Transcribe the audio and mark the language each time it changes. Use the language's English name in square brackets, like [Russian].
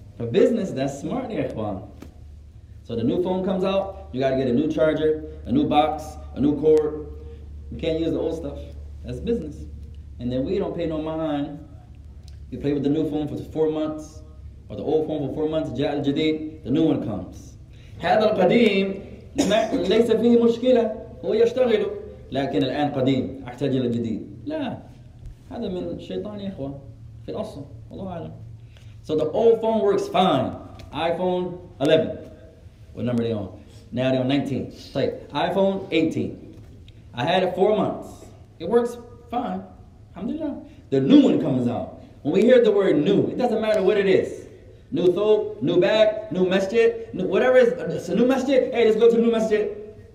[English] For business, that's smart, Ikhwan. So the new phone comes out, you gotta get a new charger, a new box, a new cord. You can't use the old stuff. That's business. And then we don't pay no mind. You play with the new phone for 4 months, or the old phone for 4 months, [Arabic] جاء الجديد, [English] the new one comes. [Arabic] هذا القديم ليس فيه مشكلة هو يشتغل لكن الآن قديم أحتاج إلى جديد لا هذا من الشيطان يا إخوة في الأصل والله أعلم. [English] So the old phone works fine. iPhone 11. What number are they on? Now they're on 19. طيب, iPhone 18. I had it 4 months. It works fine. Alhamdulillah. The new one comes out. When we hear the word new, it doesn't matter what it is. New thawb, new bag, new masjid, new, whatever it is, it's a new masjid, hey, let's go to the new masjid.